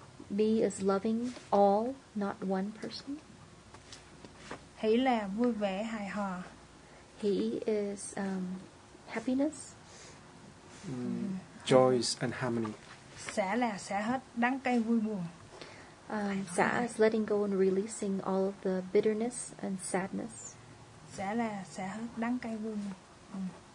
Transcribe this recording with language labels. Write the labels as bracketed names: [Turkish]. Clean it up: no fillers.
[English] Bi is loving all, not one person. [Vietnamese] Hỷ là vui vẻ hài hòa. [English] He is happiness. Joy and harmony. [Vietnamese] Xả là xả hết đắng cay vui buồn. [English] Xả is letting go and releasing all of the bitterness and sadness. [Vietnamese] Xả là xả hết đắng cay vui buồn.